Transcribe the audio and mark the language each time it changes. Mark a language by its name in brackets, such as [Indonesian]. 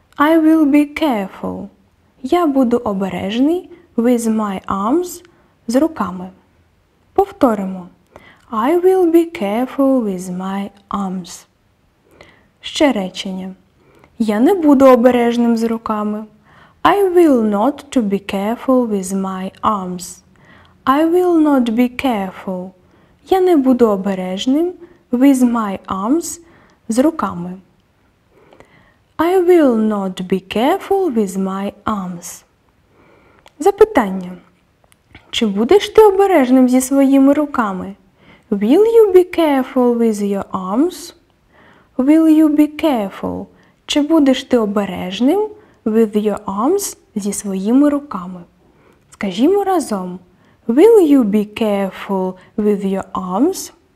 [English] I will be careful. [Ukrainian] Я буду обережний [English] with my arms, [Ukrainian] з руками. Повторимо. [English] I will be careful with my arms. [Ukrainian] Ще речення. Я не буду обережним з руками. [English] I will not to be careful with my arms. I will not be careful. [Ukrainian] Я не буду обережним [English] with my arms, [Ukrainian] з руками. [English] I will not be careful with my arms. [Ukrainian] Запитання. Чи будеш ти обережним зі своїми руками? [English] Will you be careful with your arms? Will you be careful? [Ukrainian] Чи будеш ти обережним [English] with your arms [Ukrainian] зі своїми руками? Скажімо разом. [English] Will you be careful with your arms?